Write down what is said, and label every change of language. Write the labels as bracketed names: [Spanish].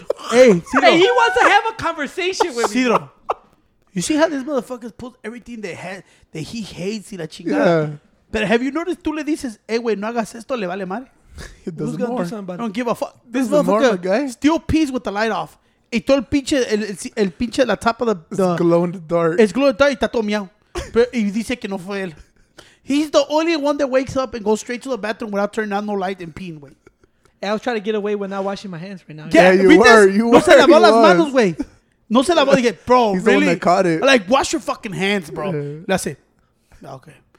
[English] hey, Ciro. Hey, he wants to have a conversation with me. Ciro. You see how this motherfucker pulls everything that he hates [Spanish] y la chingada? [English] Yeah. But have you noticed, [Spanish] tú le dices, hey, güey, no hagas esto, le vale madre? [English] Who's going to do something about it? I don't give a fuck. This motherfucker still pees with the light off. [Spanish] Y todo el pinche, la tapa de... [English] It's glowing the dark. It's glowing the dark [Spanish] y está todo miau. Y dice que no fue él. [English] He's the only one that wakes up and goes straight to the bathroom without turning on no light and peeing, güey. I was trying to get away when not washing my hands right now. Yeah, yeah. You were. [Spanish] No se lavó las manos, güey. No se lavó. Dije, bro, [English] he's really? He's the one that caught it. Like, wash your fucking hands, bro. Yeah. That's it. Okay.